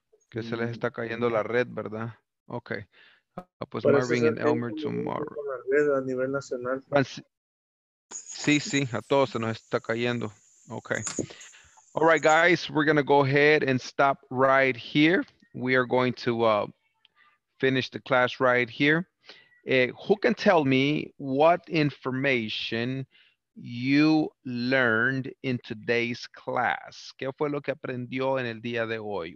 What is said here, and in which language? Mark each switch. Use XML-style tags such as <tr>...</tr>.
<es>Que se les está cayendo la red, ¿verdad?</es> <en>Okay. Pues Marvin and Elmer tomorrow.</en> <es>La red a nivel nacional. Sí, sí, a todos se nos está cayendo.</es> <en>Okay. All right, guys, we're going to go ahead and stop right here. We are going to finish the class right here. Who can tell me what information you learned in today's class?</en> <es>¿Qué fue lo que aprendió en el día de hoy?</es>